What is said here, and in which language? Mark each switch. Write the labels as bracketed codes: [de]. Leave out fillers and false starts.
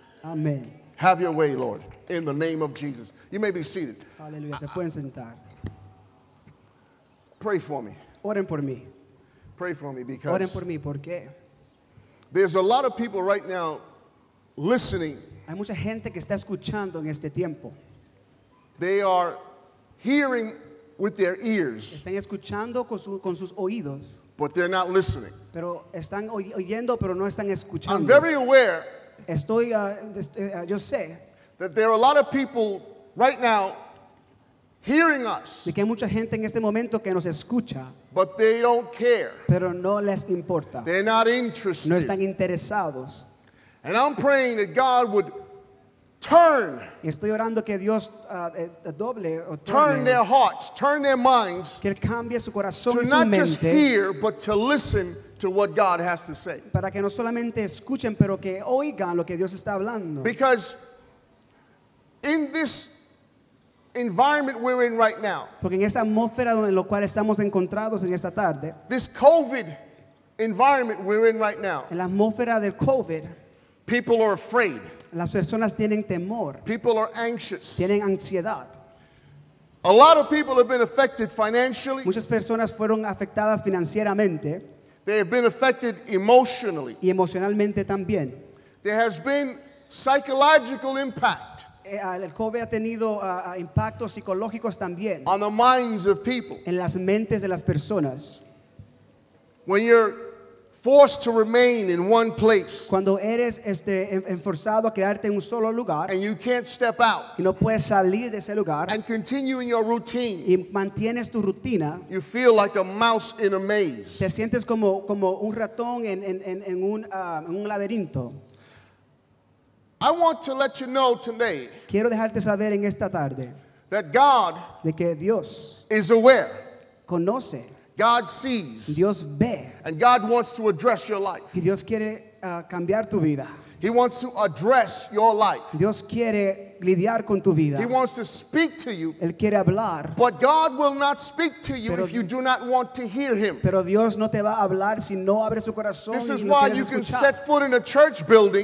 [en] Amen. Have your way, Lord. In the name of Jesus. You may be seated. [es] Hallelujah. Se pueden sentar. [en] Pray for me. [es] Oren por mí. [en] Pray for me because. [es] Oren por mí, ¿por qué? [en] There's a lot of people right now listening. [es] Hay mucha gente que está escuchando en este tiempo. [en] They are hearing with their ears. [es] Están escuchando con sus oídos. [en] But they're not listening. [es] Pero están oyendo, pero no están escuchando. [en] I'm very aware. [es] Yo sé. [en] That there are a lot of people right now hearing us. [es] Y que hay mucha gente en este momento que nos escucha. [en] But they don't care. [es] Pero no les importa. [en] They're not interested. [es] No están interesados. [en] And I'm praying that God would turn. [es] Estoy orando que Dios doble o [en] turn their hearts, turn their minds. [es] Que cambie su corazón y su mente. [en] To not just hear, but to listen to what God has to say. [es] Para que no solamente escuchen, pero que oigan lo que Dios está hablando. [en] Because in this environment we're in right now. [es] Porque en esta atmósfera en la cual estamos encontrados en esta tarde. [en] This COVID environment we're in right now. [es] En la atmósfera del COVID. [en] People are afraid. [es] Las personas tienen temor. [en] People are anxious. [es] Tienen ansiedad. [en] A lot of people have been affected financially. [es] Muchas personas fueron afectadas financieramente. [en] They have been affected emotionally. [es] Y emocionalmente también. [en] There has been psychological impact. [es] El COVID ha tenido impactos psicológicos también. [en] On the minds of people. [es] En las mentes de las personas. [en] When you're forced to remain in one place. [es] Cuando eres forzado a quedarte en un solo lugar. [en] And you can't step out. [es] Y no puedes salir de ese lugar. [en] And continue in your routine. [es] Y mantienes tu rutina. [en] You feel like a mouse in a maze. [es] Te sientes como un ratón en un laberinto. [en] I want to let you know today. [es] Quiero dejarte saber en esta tarde. [en] That God. [es] De que Dios. [en] Is aware. [es] Conoce. [en] God sees. [es] Dios ve. [en] And God wants to address your life. [es] Y Dios quiere cambiar tu vida. [en] He wants to address your life. [es] Dios quiere lidiar con tu vida. [en] He wants to speak to you. [es] Él quiere hablar. [en] But God will not speak to you if you do not want to hear him. [es] Pero Dios no te va a hablar si no abres su corazón. [en] This is why you can set foot in a church building.